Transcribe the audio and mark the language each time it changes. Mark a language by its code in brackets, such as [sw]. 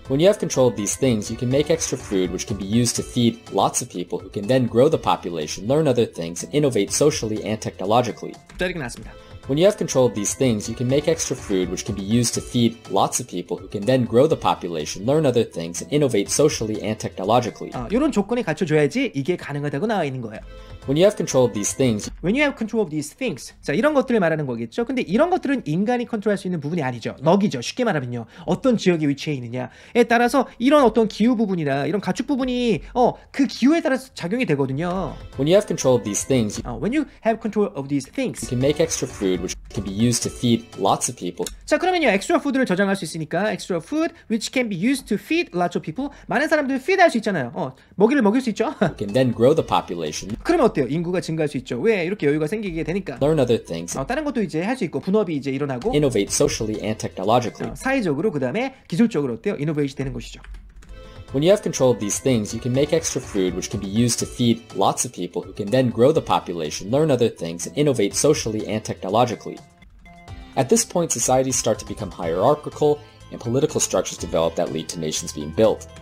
[en] When you have control of these things, you can make extra food, which can be used to feed lots of people who can then grow the population, learn other things, and innovate socially and technologically. [ko] 대단하십니다. [en] When you have control of these things, you can make extra food, which can be used to feed lots of people who can then grow the population, learn other things, and innovate socially and technologically. [ko] 이런 조건이 갖춰줘야지 이게 가능하다고 나와 있는 거예요. [en] When you have control of these things, when you have control of these things, 자 [ko] 이런 것들을 말하는 거겠죠. 근데 이런 것들은 인간이 컨트롤할 수 있는 부분이 아니죠. 먹이죠. 쉽게 말하면요, 어떤 지역에 위치해 있느냐에 따라서 이런 어떤 기후 부분이나 이런 가축 부분이 그 기후에 따라서 작용이 되거든요. [en] When you have control of these things, when you have control of these things, you can make extra food, which can be used to feed lots of people. [ko] 자 그러면요, extra food를 저장할 수 있으니까 extra food, [en] which can be used to feed lots of people, [ko] 많은 사람들 feed 할 수 있잖아요. 먹이를 먹일 수 있죠. [en] You can then grow the population. [ko] 그러면 어때요? 인구가 증가할 수 있죠. 왜? 이렇게 여유가 생기게 되니까. [en] Learn other things. [ko] 다른 것도 이제 할 수 있고 분업이 이제 일어나고. [en] Innovate socially and technologically. [ko] 사회적으로 그 다음에 기술적으로 어때요? Innovate 되는 것이죠. [en] When you have control of these things, you can make extra food, which can be used to feed lots of people, who can then grow the population, learn other things, and innovate socially and technologically. At this point, societies start to become hierarchical, and political structures develop that lead to nations being built.